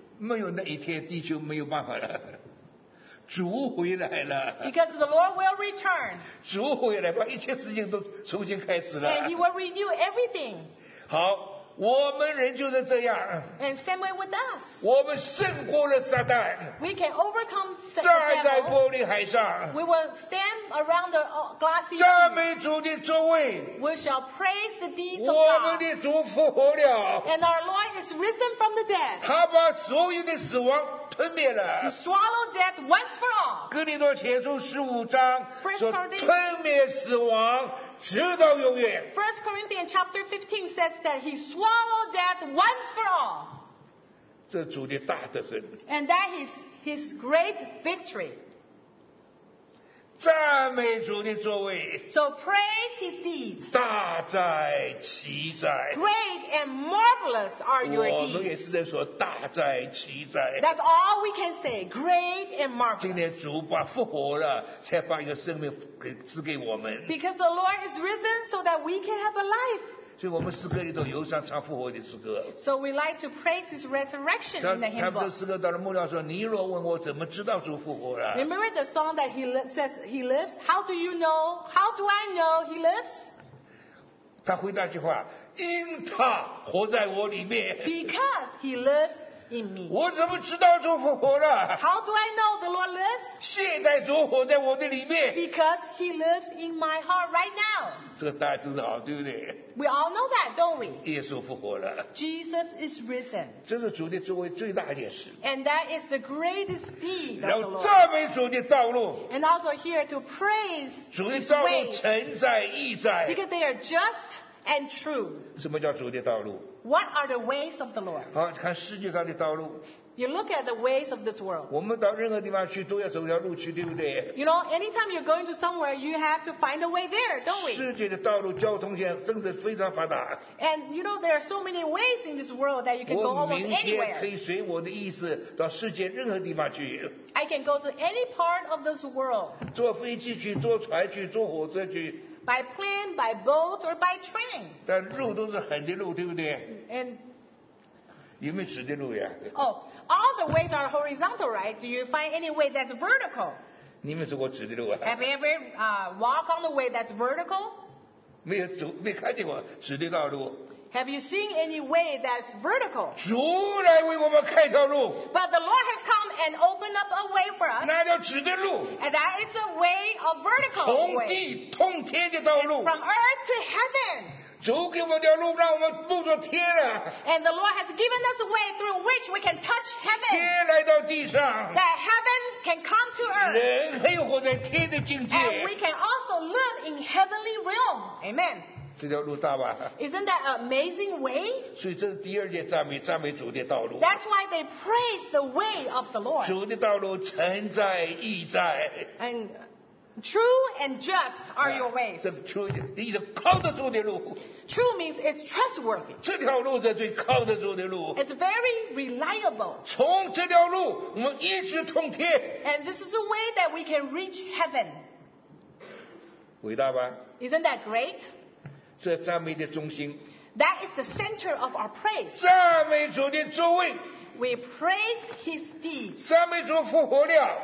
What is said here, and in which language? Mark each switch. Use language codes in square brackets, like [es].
[zh] 没有那一天，地球没有办法了。主回来了。 [en] Because the Lord will return. [zh] 主回来，把一切事情都重新开始了。 [en] And He will renew everything. [zh] 好，我们人就是这样。 [en] And same way with us. [zh] 我们胜过了撒旦。 [en] We can overcome Satan. [zh] 站在玻璃海上。 [en] We will stand around the glassy sea. [zh] 赞美主的作为。 [en] We shall praise the deeds of God. [zh] 我们的主复活了。 [en] And our Lord has risen from the dead. [zh] 他把所有的死亡吞灭了。 [en] He swallowed death once for all. [zh] 哥林多前书十五章说吞灭死亡。直到永远。 [en] First Corinthians chapter 15 says that he swallowed death once for all. [zh] 这主的大得胜。 [en] And that is his great victory. [zh] 赞美主的作为。 [en] So praise his deeds. [zh] 大哉奇哉。 [en] Great and marvelous are your deeds. [zh] 我们也是在说大哉奇哉。 [en] That's all we can say. Great and marvelous. [zh] 今天主把复活了，才把一个生命给赐给我们。 [en] Because the Lord is risen, so that we can have a life. [zh] 所以我们诗歌里头忧伤唱复活的诗歌。 [en] So we like to praise His resurrection in the hymn book. [zh] 差不多诗歌到了末了说，你若问我怎么知道主复活了。 [en] Remember the song that He says He lives? How do you know? How do I know He lives? [zh] 他回答一句话，因他活在我里面。 [en] Because He lives in me. [zh] 我怎么知道主复活了？ [en] How do I know the Lord lives? [zh] 现在主活在我的里面。 [en] Because He lives in my heart right now. [zh] 这个大家知道对不对？ [en] We all know that, don't we? [zh] 耶稣复活了。 [en] Jesus is risen. [zh] 这是主的作为最大一件事。 [en] And that is the greatest deed of the Lord. [zh] 然后赞美主的道路。 [en] And also here to praise His ways. [zh] 主的道路诚在义在。 [en] Because they are just and true. [zh] 什么叫主的道路？ [en] What are the ways of the Lord? [zh] 好，看世界上的道路。 [en] You look at the ways of this world. [zh] 我们到任何地方去都要走一条路去，对不对？ [en] You know, anytime you're going to somewhere, you have to find a way there, don't we? [zh] 世界的道路交通线真是非常发达。 [en] And you know, there are so many ways in this world that you can go almost anywhere. [zh] 我明天可以随我的意思到世界任何地方去。 [en] I can go to any part of this world. [zh] 坐飞机去，坐船去，坐火车去。 [en] By plane, by boat, or by train. [zh] 但路都是很的路，对不对？ [en] And [zh] 有没有直的路呀？ [en] Oh, all the ways are horizontal, right? Do you find any way that's vertical? [zh] 你们走过直的路啊？ [en] Have you ever walk on the way that's vertical? [zh] 没有走，没看见过直的道路。 [en] Have you seen any way that's vertical? [zh] 主来为我们开条路。 [en] But the Lord has come and opened up a way for us. [zh] 那叫直的路。 [en] And that is a way of vertical. [zh] 从地通天的道路。 [en] It's from earth to heaven. [zh] 主给我们条路，让我们步入天了。 [en] And the Lord has given us a way through which we can touch heaven. [zh] 天来到地上。 [en] That heaven can come to earth. [zh] 人可以活在天的境界。 [en] And we can also live in heavenly realm. Amen. [zh] 这条路大吧？ [en] Isn't that amazing way? [zh] 所以这是第二件赞美，赞美主的道路。 [en] That's why they praise the way of the Lord. [zh] 主的道路诚在义在。 [en] And true and just are your ways. [zh] 这 true 的意思靠得住的路。 [en] True means it's trustworthy. [zh] 这条路是最靠得住的路。 [en] It's very reliable. [zh] 从这条路，我们一直通天。 [en] And this is a way that we can reach heaven. [zh] 伟大吧？ [en] Isn't that great? [zh] 这赞美的中心。 [en] That is the center of our praise. [zh] 赞美主的作为。 [en] We praise His deeds. [zh] 赞美主复活了。